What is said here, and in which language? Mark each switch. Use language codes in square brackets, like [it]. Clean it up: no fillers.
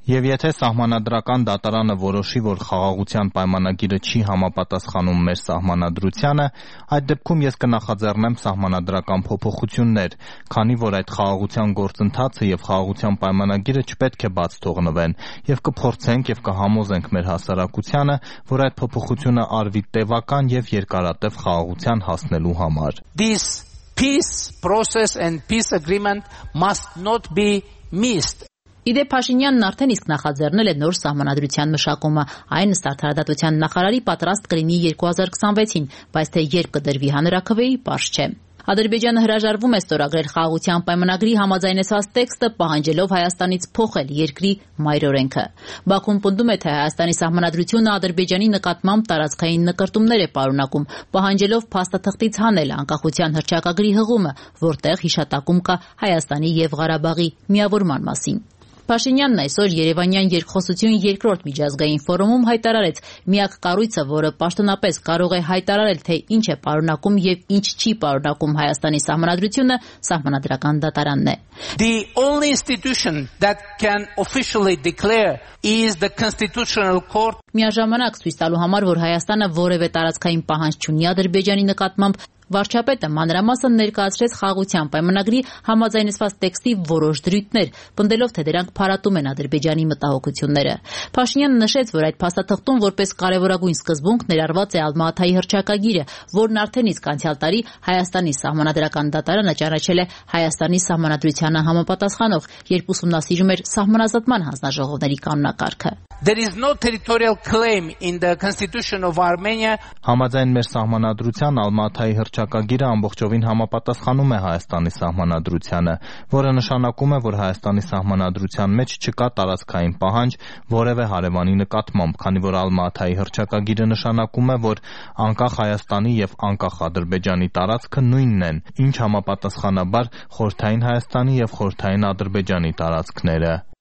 [hy] Եվ եթե սահմանադրական դատարանը որոշի, որ խաղաղության պայմանագիրը չի համապատասխանում մեր սահմանադրությանը, այդ դեպքում ես կնախաձեռնեմ սահմանադրական փոփոխություններ, քանի որ այդ խաղաղության գործընթացը եւ խաղաղության պայմանագիրը չպետք է բաց թողնվեն, եւ կփորձենք եւ կհամոզենք մեր հասարակությանը, որ այդ փոփոխությունը արվի տևական եւ երկարատև խաղաղության հասնելու համար։ [en] This peace process and peace agreement must not be missed. [hy] Իդե Փաշինյանն արդեն իսկ նախաձեռնել է նոր սահմանադրության մշակումը, այն ըստ արդարադատության նախարարի պատրաստ կլինի 2026-ին, բայց թե երբ կդրվի հանրաքվեի, պարզ չէ։ Ադրբեջանը հրաժարվում է ստորագրել խաղաղության պայմանագրի համաձայնեցված տեքստը, պահանջելով Հայաստանից փոխել երկրի մայրօրենքը։ Բաքուն պնդում է, թե Հայաստանի սահմանադրությունը Ադրբեջանի նկատմամբ տարածքային նկարտումներ է պարունակում, պահանջելով փաստաթղթից հանել անկախության հռչակագրի հղումը, որտեղ հիշատակում կա Հայաստանի և Ղարաբաղի միավորման մասին։ Փաշինյանն այսօր Երևանյան երկխոսություն երկրորդ միջազգային ֆորումում հայտարարեց միակ կառույցը, որը պաշտոնապես կարող է հայտարարել, թե ինչ է պարունակում և ինչ չի պարունակում Հայաստանի սահմանադրությունը, սահմանադրական դատարանն է։ [en] The only institution that can officially declare is the Constitutional Court. [hy] Միաժամանակ ցույց տալու համար, որ Հայաստանը որևէ տարածքային պահանջ չունի Ադրբեջանի նկատմամբ, Վարչապետը մանրամասը ներկայացրեց խաղաղության պայմանագրի համաձայնեցված տեքստի որոշ դրույթներ, պնդելով, թե դրանք փարատում են Ադրբեջանի մտահոգությունները։ Փաշինյանը նշեց, որ այդ փաստաթղթում որպես կարևորագույն սկզբունք ներառված է Ալմաաթայի հռչակագիրը, որն արդեն իսկ անցյալ տարի Հայաստանի սահմանադրական դատարանը ճանաչել է Հայաստանի սահմանադրությանը համապատասխանող, երբ ուսումնասիրում էր սահմանազատման հանձնաժողովների կանոնակարգը։ [en] There is no territorial claim in the Constitution of Armenia. [hy] Համաձայն մեր սահմանադրության Ալմաաթայի հռչակագիրը ամբողջովին համապատասխանում է Հայաստանի սահմանադրությանը, որը նշանակում է, որ Հայաստանի սահմանադրության մեջ չկա տարածքային պահանջ որևէ հարևանի նկատմամբ, քանի որ Ալմաաթայի հռչակագիրը նշանակում է, որ անկախ Հայաստանի և անկախ Ադրբեջանի տարածքը նույնն են, ինչ համապատասխանաբար խորհրդային Հայաստանի և խորհրդային Ադրբեջանի տարածքները։